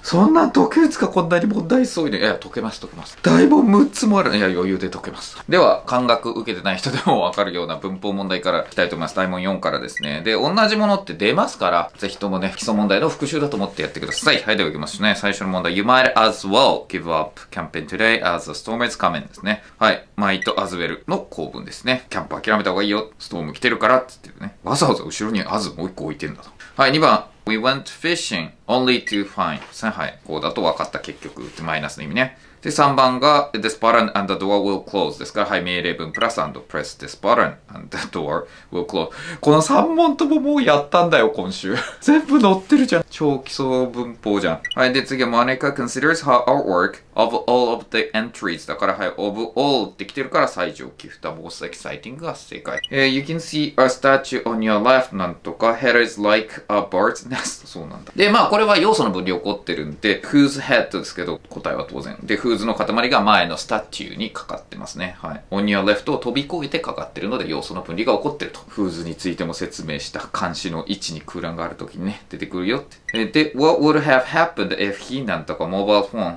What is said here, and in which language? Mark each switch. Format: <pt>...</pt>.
<ja>そんな解けるつか、こんなに問題そういうの。いや、解けます解けます。だいぶ6つもある。いや、余裕で解けます。では感覚受けてない人でもわかるような文法問題からいきたいと思います。大問4からですね。で、同じものって出ますから、ぜひともね、基礎問題の復習だと思ってやってください。はい、では行きますね。最初の問題、</ja> <en>You might as well give up camping today as the storm is coming</en> <ja>ですね。はい、 might as well の構文ですね。キャンプ諦めた方がいいよ、ストーム来てるからって言ってるね。わざわざ後ろに as もう一個置いてんだと。はい、2番、</ja> <en>We went fishing only to find</en> <ja>ですね。はい、こうだと分かった、結局ってマイナスの意味ね。</ja> <en>で、3番が This button and the door will close</en> <ja>ですから、はい、命令文プラス</ja> <en>and press this button and the door will close。</en> <ja>この3問とももうやったんだよ、今週。全部載ってるじゃん、超基礎文法じゃん。はい、で、次は</ja> <en>Monica considers her artwork of all of the entries</en> <ja>だから、はい、</ja> <en>of all</en> <ja>って来てるから最上級、</ja> <en>the most exciting</en> <ja>が正解。</ja> <en>You can see a statue on your left</en> <ja>なんとか、</ja> <en>head is like a bird's nest。</en> <ja>そうなんだ。で、まあこれは要素の分量起こってるんで、 whose head ですけど、答えは当然で、フーズの塊が前のスタチューにかかってますね。はい。オニアレフトを飛び越えてかかってるので、要素の分離が起こってると。フーズについても説明した。監視の位置に空欄があるときにね、出てくるよって。</ja> <en>で、what would have happened if he</en> <ja>なんとか</ja> <en>mobile phone?</en>